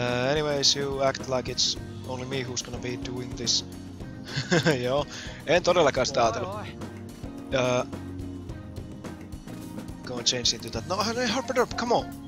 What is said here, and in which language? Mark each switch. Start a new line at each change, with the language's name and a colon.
English: Anyways, you act like it's only me who's gonna be doing this.
Finnish: Joo, en todellakaan sitä ajatellut.
English: Go and change into that. No, hey, Harper, come on!